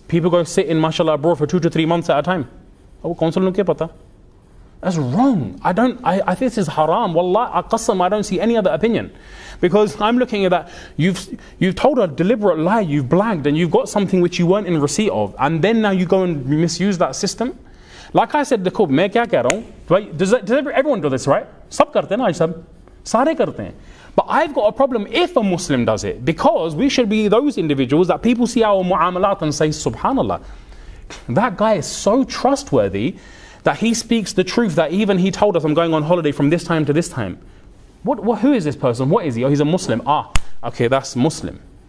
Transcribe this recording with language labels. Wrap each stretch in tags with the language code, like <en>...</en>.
<en>People go sit in, mashallah, abroad for 2 to 3 months at a time. That's wrong. I think this is haram. Wallah, qasam, I don't see any other opinion. Because I'm looking at that, you've told a deliberate lie, you've blagged, and you've got something which you weren't in receipt of. And then now you go and misuse that system. Like I said, the</en> <ur>کب، میں کیا کہہ رہا ہوں?</ur> <en>Does everyone do this, right?</en> <ur>سب کرتے ہیں، آج سب. سارے کرتے ہیں.</ur> <en>But I've got a problem if a Muslim does it. Because we should be those individuals that people see our mu'amalat and say, subhanallah. That guy is so trustworthy that he speaks the truth, that even he told us, I'm going on holiday from this time to this time. What? Who is this person? What is he? Oh, he's a Muslim. Ah, okay, that's Muslim.</en>